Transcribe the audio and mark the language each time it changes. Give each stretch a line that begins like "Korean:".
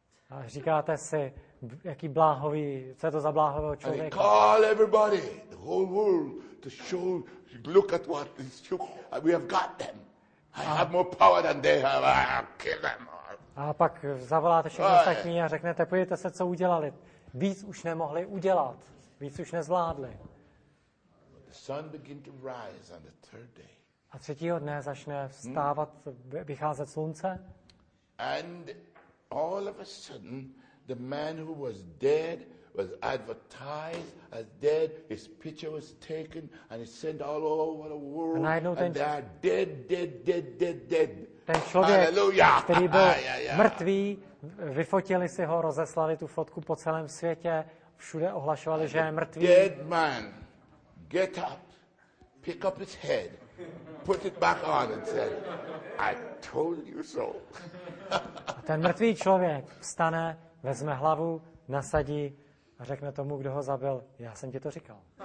Czech: A říkáte si, jaký bláhový, co je to za bláhového člověka.
English: Call everybody, the whole world, to show, look at what this show, we have got them. I have more power than they have, I have killed them all.
Czech: A pak zavoláte všechny ostatní a řeknete, podívejte se, co udělali. Víc už nemohli udělat, víc už nezvládli.
English: The sun begin to rise on the third day.
Czech: A třetího dne začne vstávat, vycházet slunce.
English: And all of a sudden, the man who was dead was advertised as dead. His picture was taken and it sent all over the world. And they are dead, dead, dead, dead, dead.
Czech: Ten člověk, hallelujah. Který byl mrtvý, vyfotili si ho, rozeslali tu fotku po celém světě, všude ohlašovali, že je mrtvý.
English: Dead man, get up, pick up his head, put it back on and said, I told you so.
Czech: A ten mrtvý člověk vstane, vezme hlavu, nasadí a řekne tomu, kdo ho zabil, já jsem ti to říkal.